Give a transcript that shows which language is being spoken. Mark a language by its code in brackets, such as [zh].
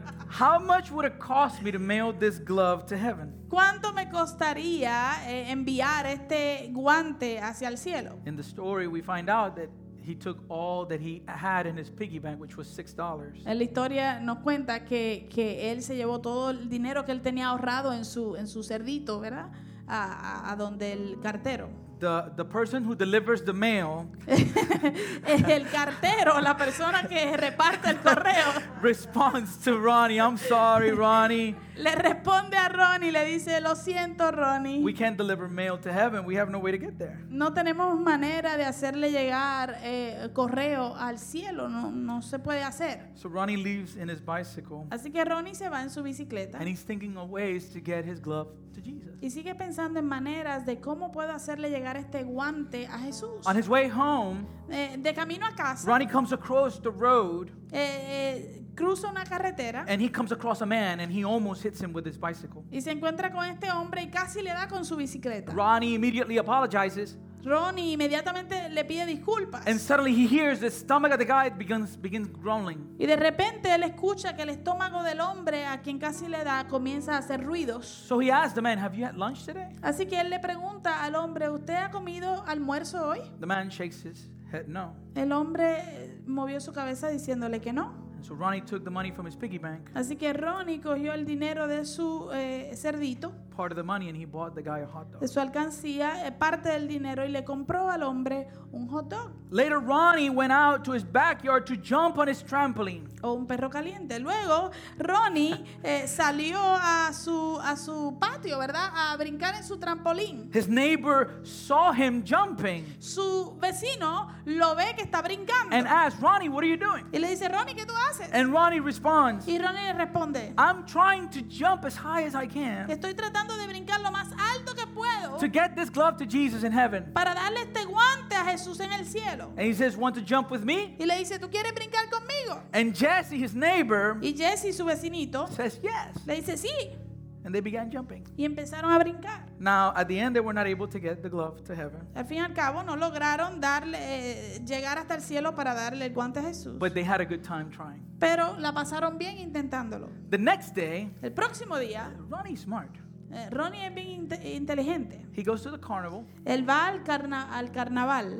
[en] How much would it cost me to mail this glove to heaven? [es] ¿Cuánto me costaría enviar este guante hacia el cielo? [en] In the story, we find out that he took all that he had in his piggy bank, which was $6. [es] La historia nos cuenta que él se llevó todo el dinero que él tenía ahorrado en su cerdito, ¿verdad? A donde el cartero. [en] The person who delivers the mail. [es] El cartero, la persona que reparte el correo. [en] Responds to Ronnie. I'm sorry, Ronnie. [es] Le responde a Ronnie, le dice, lo siento, Ronnie. [en] We can't deliver mail to heaven. We have no way to get there. [es] No tenemos manera de hacerle llegar correo al cielo. No se puede hacer. [en] So Ronnie leaves in his bicycle. [es] Así que Ronnie se va en su bicicleta. [en] And he's thinking of ways to get his glove to Jesus. [es] Y sigue pensando en maneras de cómo puedo hacerle llegar este guante a Jesús. [en] On his way home. [es] De camino a casa. [en] Ronnie comes across the road. [es] Cruza una carretera. [en] And he comes across a man and he almost hits him with his bicycle. [es] Y se encuentra con este hombre y casi le da con su bicicleta. [en] Ronnie immediately apologizes. [es] Ronnie inmediatamente le pide disculpas. [en] And suddenly he hears the stomach of the guy begins growling. [es] Y de repente él escucha que el estómago del hombre a quien casi le da comienza a hacer ruidos. [en] So he asks the man, "Have you had lunch today?" [es] Así que él le pregunta al hombre, "¿Usted ha comido almuerzo hoy?" [en] The man shakes his head no. [es] El hombre movió su cabeza diciéndole que no. [en] And so Ronnie took the money from his piggy bank. [es] Así que Ronnie cogió el dinero de su cerdito. [en] Part of the money and he bought the guy a hot dog. [es] De su alcancía, parte del dinero y le compró al hombre un hot dog. [en] Later Ronnie went out to his backyard to jump on his trampoline. [es] O un perro caliente. Luego Ronnie salió a su patio, ¿verdad? A brincar en su trampolín. [en] His neighbor saw him jumping. [es] Su vecino lo ve que está brincando. [en] And asked Ronnie, "What are you doing?" [es] Y le dice, "Ronnie, ¿qué tú haces?" [en] And Ronnie responds. [es] Y Ronnie le responde, [en] "I'm trying to jump as high as I can." [es] Estoy tratando de brincar lo más alto que puedo. [en] To get this glove to Jesus in heaven. [es] Para darle este guante a Jesús en el cielo. [en] And he says, "Want to jump with me?" [es] Y le dice, "¿Tú quieres brincar conmigo?" [en] And Jesse, his neighbor, [es] y Jesse, su vecinito, [en] says yes. [es] Le dice, sí. [en] And they began jumping. [es] Y empezaron a brincar. [en] Now, at the end, they were not able to get the glove to heaven. [es] Al fin y al cabo, no lograron darle, llegar hasta el cielo para darle el guante a Jesús. [en] But they had a good time trying. [es] Pero la pasaron bien intentándolo. [en] The next day, [es] el próximo día, [en] Ronnie's smart. [es] Ronnie es bien inteligente. [en] He goes to the carnival. [es] Él va al carnaval.